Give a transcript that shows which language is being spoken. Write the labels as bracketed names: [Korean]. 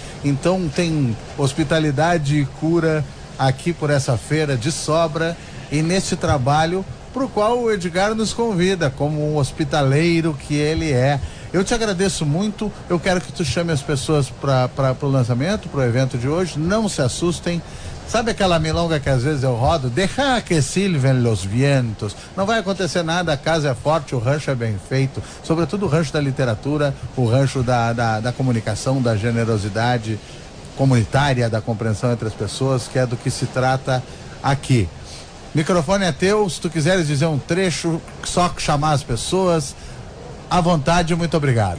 [Portuguese] Então tem hospitalidade e cura aqui por essa feira de sobra e nesse trabalho para o qual o Edgar nos convida como um hospitaleiro que ele é. Eu te agradeço muito, eu quero que tu chame as pessoas para o lançamento, para o evento de hoje, não se assustem. Sabe aquela milonga que às vezes eu rodo? [Spanish] Deja que silven los vientos. [Portuguese] Não vai acontecer nada, a casa é forte, o rancho é bem feito. Sobretudo o rancho da literatura, o rancho da comunicação, da generosidade comunitária, da compreensão entre as pessoas, que é do que se trata aqui. Microfone é teu, se tu quiseres dizer um trecho, só chamar as pessoas, à vontade, muito obrigado.